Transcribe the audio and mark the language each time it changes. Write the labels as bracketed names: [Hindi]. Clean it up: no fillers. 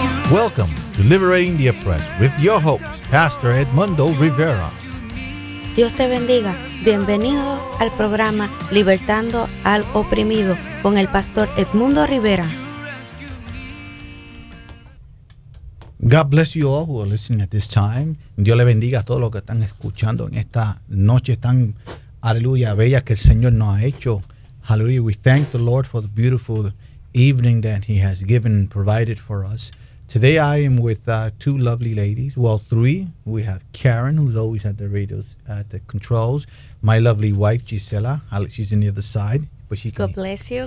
[English] Welcome to Liberating the Oppressed with your host, Pastor Edmundo Rivera. [Spanish] Dios te bendiga. Bienvenidos al programa Libertando al Oprimido con el Pastor Edmundo Rivera. [English] God bless you all who are listening at this time. [Spanish] Dios le bendiga a todos los que están escuchando en esta noche tan, aleluya, bella que el Señor nos ha hecho. [English] Hallelujah. We thank the Lord for the beautiful evening that He has given and provided for us. Today I am with two lovely ladies, well, three. We have Karen, who's always at the radios, at the controls. My lovely wife, Gisela, she's on the other side. But she God can bless you.